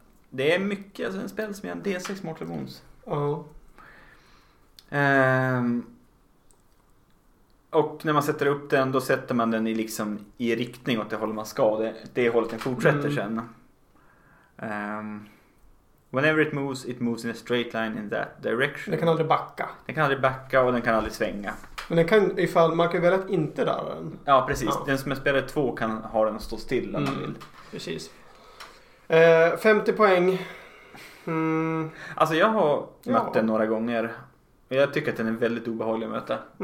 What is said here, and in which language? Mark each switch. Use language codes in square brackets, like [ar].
[sv] Det är mycket, alltså en spel som är en D6 Mortal Wounds. Ja. Och när man sätter upp den, då sätter man den i liksom i riktning åt det håll man ska. Det hållet den fortsätter sen. [en] Whenever it moves in a straight line in that direction. [sv] Den kan aldrig backa. Den kan aldrig backa och den kan aldrig svänga. Men den kan, ifall man kan välja att inte röra den. Ja, precis. Ja. Den som är spelare 2 kan ha den stå still om man vill. Precis. 50 poäng. Alltså jag har mött den några gånger. Jag tycker att den är väldigt obehaglig att möta.